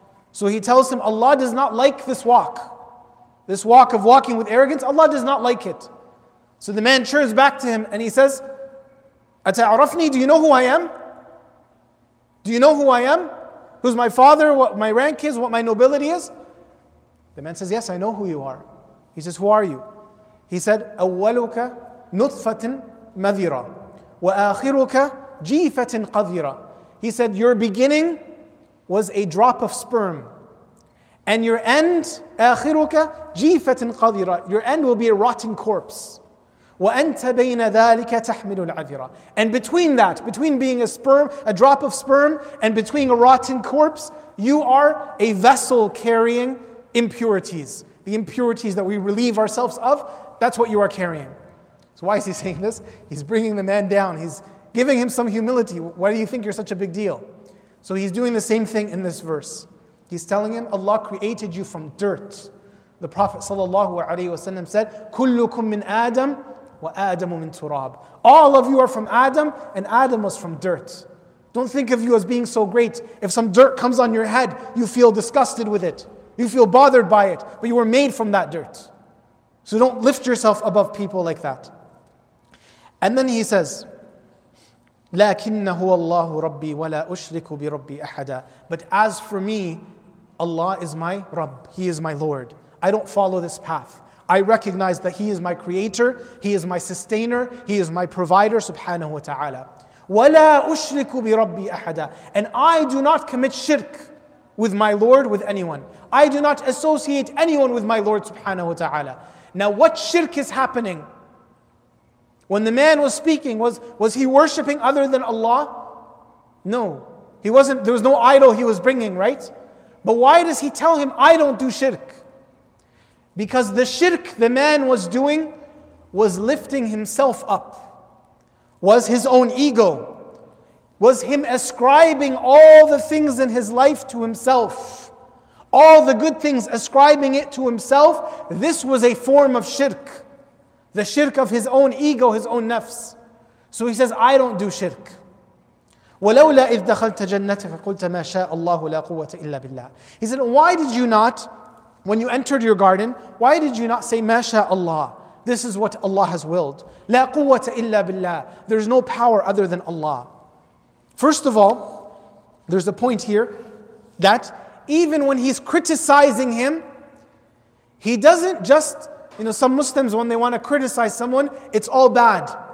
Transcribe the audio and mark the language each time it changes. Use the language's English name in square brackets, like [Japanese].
[English] So he tells him, Allah does not like this walk. This walk of walking with arrogance, Allah does not like it. So the man turns back to him and he says, [Arabic] أَتَعْرَفْنِي. [English] Do you know who I am? Do you know who I am? Who's my father? What my rank is? What my nobility is? The man says, yes, I know who you are. He says, who are you? He said, [Arabic] أَوَّلُكَ نُطْفَةٍ مَذِيرًا وَآخِرُكَ جِيفَةٍ قَذِيرًا. [English] He said, your beginning was a drop of sperm. And your end, [Arabic] آخِرُكَ جِيفَةٍ قَذِيرًا. [English] Your end will be a rotting corpse. [Arabic] وَأَنْتَ بَيْنَ ذَٰلِكَ تَحْمِلُ الْعَذِرَ. [English] And between that, between being a sperm, a drop of sperm, and between a rotten corpse, you are a vessel carrying impurities. The impurities that we relieve ourselves of, that's what you are carrying. So why is he saying this? He's bringing the man down. He's giving him some humility. Why do you think you're such a big deal? So he's doing the same thing in this verse. He's telling him, Allah created you from dirt. The Prophet ﷺ said, [Arabic] كُلُّكُم مِّنْ آدَمْ وَآدَمُ مِنْ تُرَابٍ. [English] All of you are from Adam, and Adam was from dirt. Don't think of you as being so great. If some dirt comes on your head, you feel disgusted with it. You feel bothered by it, but you were made from that dirt. So don't lift yourself above people like that. And then he says, [Arabic] لَكِنَّهُ اللَّهُ رَبِّي وَلَا أُشْرِكُ بِرَبِّي أَحَدًا. [English] But as for me, Allah is my Rabb. He is my Lord. I don't follow this path. I recognize that He is my creator, He is my sustainer, He is my provider, subhanahu wa ta'ala. [Arabic] وَلَا أُشْرِكُ بِرَبِّي أَحَدًا. [English] And I do not commit shirk with my Lord, with anyone. I do not associate anyone with my Lord, subhanahu wa ta'ala. Now what shirk is happening? When the man was speaking, was he worshipping other than Allah? No. He wasn't. There was no idol he was bringing, right? But why does he tell him, I don't do shirk? Because the shirk the man was doing was lifting himself up, was his own ego, was him ascribing all the things in his life to himself, all the good things ascribing it to himself. This was a form of shirk, the shirk of his own ego, his own nafs. So he says, I don't do shirk. [Arabic] ولولا إذ دخلت جنتك قلت ما شاء الله لا قوة إلا بالله. [English] He said, why did you not, when you entered your garden, why did you not say, [Arabic] ما شاء الله, [English] this is what Allah has willed. [Arabic] لا قوة إلا بالله, [English] there is no power other than Allah. First of all, there's a point here that even when he's criticizing him, he doesn't just, you know, some Muslims, when they want to criticize someone, it's all bad.